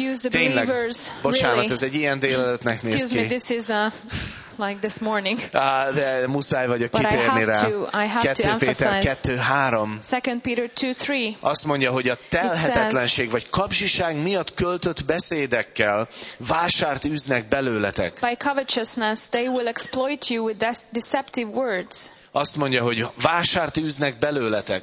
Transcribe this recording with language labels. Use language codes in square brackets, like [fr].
[hu] Tényleg, bocsánat, ez egy ilyen délelőttnek néz ki. [en] Like this morning. [hu] De muszáj vagyok kitérni rá. 2 Péter 2:3. Azt mondja, hogy a telhetetlenség vagy kapzsiság miatt költött beszédekkel vásárt üznek belőletek. [en] By covetousness they will exploit you with deceptive words. [hu] Azt mondja, hogy vásárt üznek belőletek.